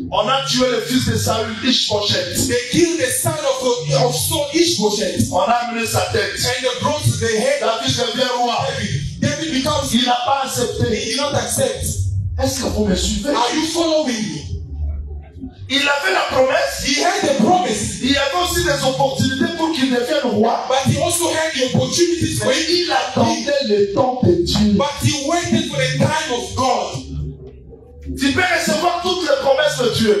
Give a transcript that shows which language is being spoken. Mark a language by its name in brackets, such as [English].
[French] On a tué le fils de Saül, Ish-bosheth. [English] They killed the son of Saul, Ish-bosheth. [French] On a amené sa tête. [English] And they brought the head. [French] David devient roi. [English] David becomes. [French] Il n'a pas accepté. [English] He did not accept. [French] Est-ce que vous me suivez? [English] Are you following me? [French] Il avait la promesse. [English] He had the promise. [French] Il avait aussi des opportunités pour qu'il devienne roi. [English] But he also had the opportunities for him. [French] Il attendait le temps de Dieu. [English] But he waited for the time of God. [French] Tu peux recevoir toutes les promesses de Dieu.